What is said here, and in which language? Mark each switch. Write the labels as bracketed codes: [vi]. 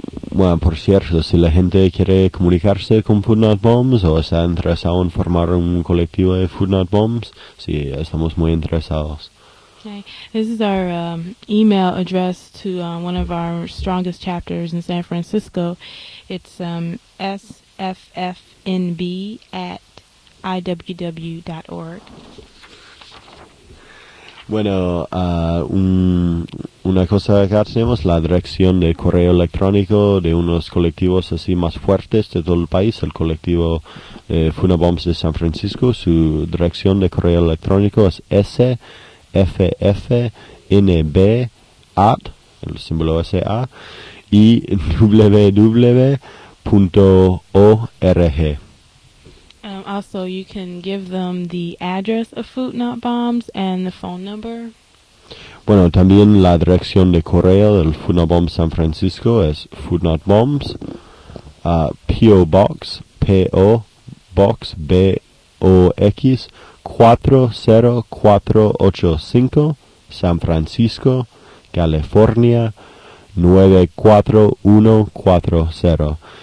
[es] Bueno, por cierto, si la gente quiere comunicarse con Funat Bombs o está interesado en formar un colectivo de Funat Bombs, sí, estamos muy interesados. [en] Okay, this is our email address to one of our strongest chapters in San Francisco. It's sffnb@iww.org. [es] Bueno, una cosa acá tenemos, la dirección de correo electrónico de unos colectivos así más fuertes de todo el país, el colectivo Funat Bombs de San Francisco. Su dirección de correo electrónico es sffnb@iww.org. [en] Also, you can give them the address of Funat Bombs and the phone number. [es] Bueno, también la dirección de correo del Funat Bombs San Francisco es Funat Bombs, P.O. Box, P.O. Box, B.O.X, 40485, San Francisco, California, 94140.